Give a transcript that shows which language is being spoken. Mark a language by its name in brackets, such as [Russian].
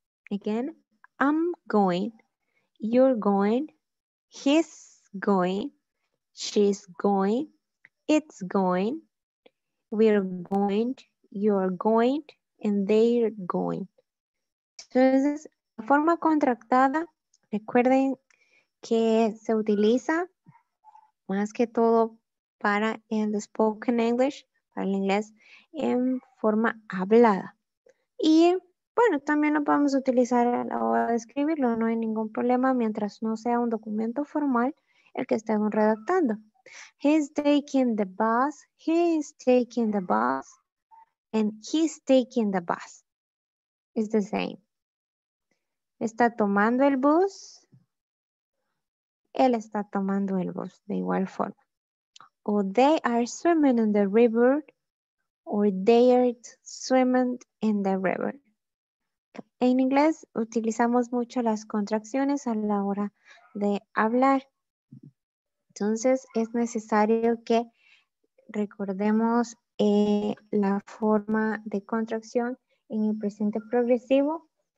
[English] Again, I'm going, you're going, he's going, she's going, it's going, we're going, you're going, and they're going. [Spanish] Entonces, la forma contractada Recuerden que se utiliza más que todo para el spoken English, para el inglés, en forma hablada. Y bueno, también lo podemos utilizar a la hora de escribirlo, no hay ningún problema mientras no sea un documento formal el que estemos redactando. [English] He's taking the bus, he's taking the bus, and he's taking the bus. It's the same. [Spanish] Está tomando el bus, él está tomando el bus, de igual forma. [English] O they are swimming in the river, or they are swimming in the river. [Spanish] En inglés utilizamos mucho las contracciones a la hora de hablar. Entonces es necesario que recordemos la forma de contracción en el presente progresivo.